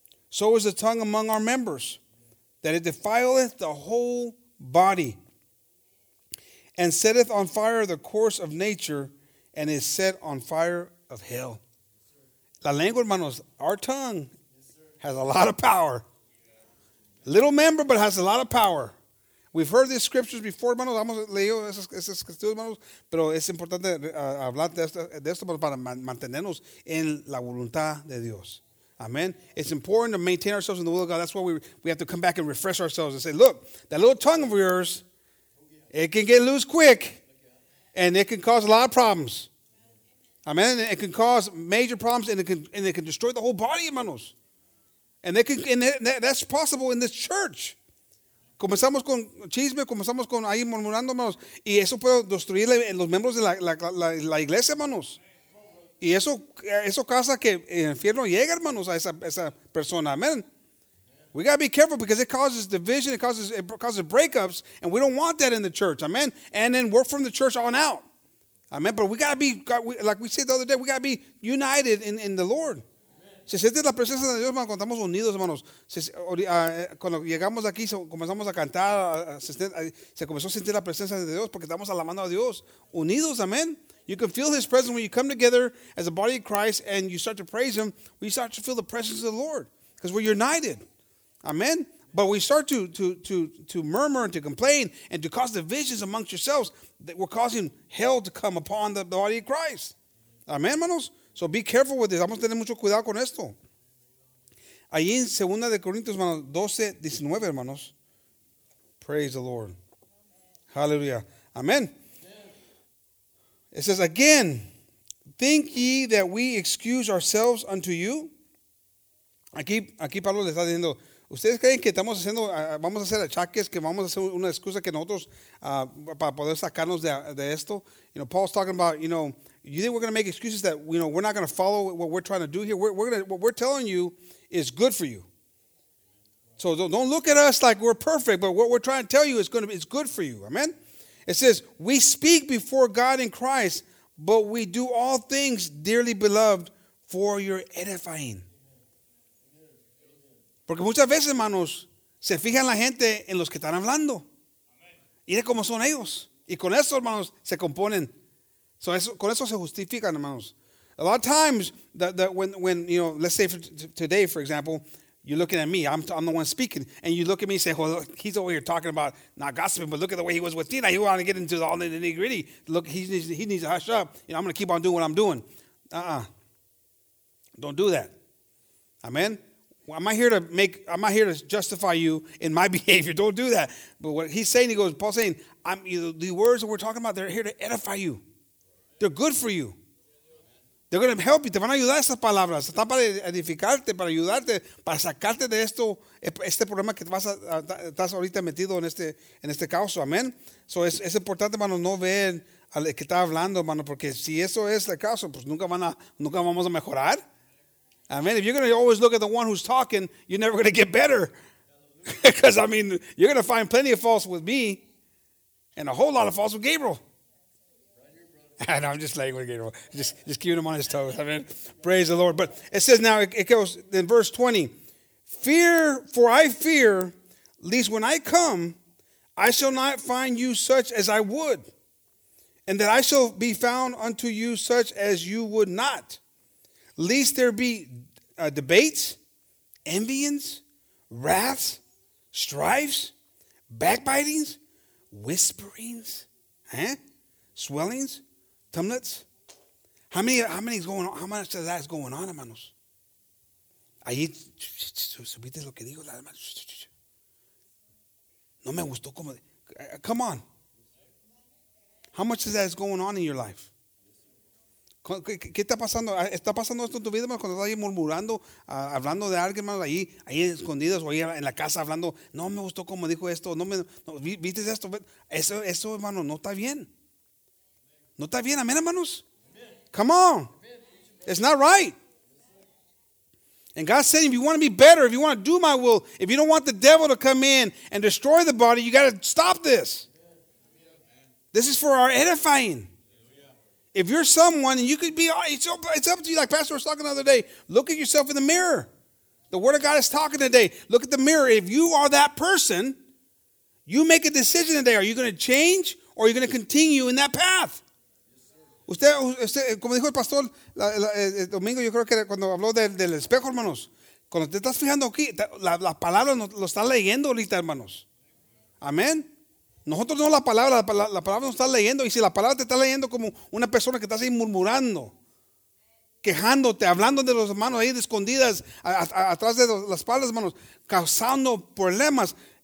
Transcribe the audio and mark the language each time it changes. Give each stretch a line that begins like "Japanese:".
English: So is the tongue among our members, that it defileth the whole body, and setteth on fire the course of nature, and is set on fire of hell. Yes,
Spanish: la lengua,
English: hermanos, our tongue, yes, has a lot of power. Little member, but has a lot of power. We've heard these scriptures before, hermanos.
Spanish: Hemos leído esas escrituras, hermanos. Pero es importante hablar de esto para mantenernos en la voluntad de Dios. Amen.
English: It's important to maintain ourselves in the will of God. That's why we have to come back and refresh ourselves and say, look, that little tongue of yours, it can get loose quick, and it can cause a lot of problems. Amen. It can cause major problems, and it can destroy the whole body, hermanos. And that's possible in this church.
Spanish: Comenzamos con chisme, comenzamos con ahí murmurando, hermanos, y eso puede destruir los miembros de la iglesia, hermanos. Y eso causa que el infierno llegue, hermanos, a esa persona. Amen.
English: We got to be careful because it causes division, it causes breakups, and we don't want that in the church, amen? And then we're from the church on out, amen? But we got to be, like we said the other day, we got to be united in the Lord, amen.
Spanish: Se siente la presencia de Dios, hermano, cuando estamos unidos, hermanos. Cuando llegamos aquí, comenzamos a cantar, se comenzó a sentir la presencia de Dios porque estamos alabando a Dios. Unidos, amén.
English: You can feel His presence when you come together as a body of Christ and you start to praise Him. We start to feel the presence of the Lord because we're united. Amen. But we start to murmur and to complain and to cause divisions amongst yourselves that we're causing hell to come upon the body of Christ. Amen, hermanos. So be careful with this.
Spanish: Vamos a tener mucho cuidado con esto. Allí en 2 Corintios, hermanos, 12:19, hermanos.
English: Praise the Lord. Hallelujah. Amen. It says, again, think ye that we excuse ourselves unto you?
Spanish: Aquí Pablo le está diciendo, ¿ustedes creen que estamos haciendo, vamos a hacer achaques, que vamos a hacer una excusa que nosotros, para poder sacarnos de esto?
English: You know, Paul's talking about, you know, you think we're going to make excuses that, you know, we're not going to follow what we're trying to do here? What we're telling you is good for you. So don't look at us like we're perfect, but what we're trying to tell you is it's good for you. Amen? It says, we speak before God in Christ, but we do all things, dearly beloved, for your edifying.
Spanish: Porque muchas veces, hermanos, se fijan la gente en los que están hablando. Y de cómo son ellos. Y con eso, hermanos, se componen. So eso, con eso se justifican, hermanos.
English: A lot of times, when you know, let's say today, for example, you're looking at me, I'm the one speaking, and you look at me and say, well, look, he's over here talking about not gossiping, but look at the way he was with Tina. He wanted to get into all the nitty-gritty. Look, he needs to hush up. You know, I'm going to keep on doing what I'm doing. Uh-uh. Don't do that. Amen? I'm not here to justify you in my behavior. Don't do that. But what he's saying, Paul's saying, the words that we're talking about, they're here to edify you. They're good for you. They're going to help you.
Spanish: Te van a ayudar esas palabras. Están para edificarte, para ayudarte, para sacarte de esto, este problema que estás ahorita metido en este caos. Amen. So es importante, hermano, no ver al que está hablando, hermano, porque si eso es el caso, pues nunca vamos a mejorar.
English: Amen. If you're going to always look at the one who's talking, you're never going to get better. Because, I mean, you're going to find plenty of faults with me and a whole lot of faults with Gabriel. And I'm just laying with Gabriel. Just keeping him on his toes. Amen. Praise the Lord. But it says now, it goes in verse 20, fear, for I fear, lest when I come, I shall not find you such as I would, and that I shall be found unto you such as you would not. Lest there be debates, envyings, wraths, strifes, backbitings, whisperings, swellings, tumults. How many is going on? How much of that is going on, hermanos?
Spanish: Ahí, subiste lo que dijo la hermana. No me gustó como.
English: Come on. How much of that is going on in your life?
Spanish: ¿Qué está pasando? ¿Está pasando esto en tu vida, hermano? Cuando estás ahí murmurando, hablando de alguien, hermano, ahí escondidos o ahí en la casa hablando, no me gustó cómo dijo esto, ¿viste esto? Eso, hermano, no está bien. No está bien, amén, hermanos.
English: Come on. It's not right. And God said, if you want to be better, if you want to do my will, if you don't want the devil to come in and destroy the body, you got to stop this. This is for our edifying. If you're someone, and you could be, it's up to you, like Pastor was talking the other day, look at yourself in the mirror. The Word of God is talking today. Look at the mirror. If you are that person, you make a decision today. Are you going to change, or are you going to continue in that path?
Spanish: Usted, como dijo el pastor, el domingo, yo creo que cuando habló del espejo, hermanos, cuando te estás fijando aquí, la palabra lo está leyendo ahorita, hermanos. Amén. Nosotros no la palabra nos está leyendo. Y si la palabra te está leyendo como una persona que estás ahí murmurando, quejándote, hablando de los hermanos ahí de escondidas, atrás de las espaldas, hermanos, causando problemas.